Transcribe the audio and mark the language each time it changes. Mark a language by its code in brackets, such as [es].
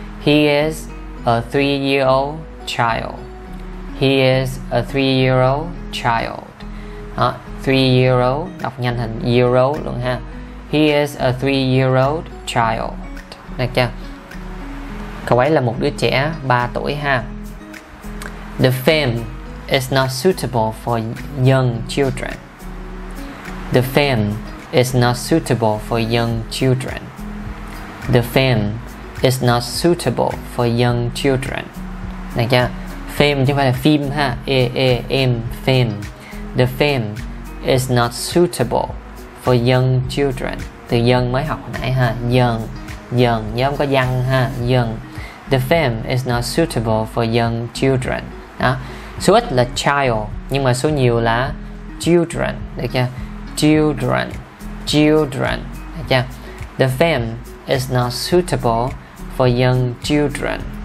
[en] He is a 3-year-old child. He is a 3-year-old child. Đó. 3-year-old, [vi] đọc nhanh thành [en] year old luôn ha. He is a 3-year-old child. [vi] Được chưa? Cậu ấy là một đứa trẻ 3 tuổi ha. [en] The film is not suitable for young children. The film is not suitable for young children. The film is not suitable for young children. [vi] Được chưa? Film chứ không phải là phim ha. [en] A-A-M, film. The film is not suitable for young children. [vi] Từ young mới học nãy ha. Young. Young. Nhớ không có young ha. Young. [en] The film is not suitable for young children. [vi] Đó. Số ít là child. Nhưng mà số nhiều là children. Được chưa? Children. Children. Được chưa? [en] The film is not suitable for young children.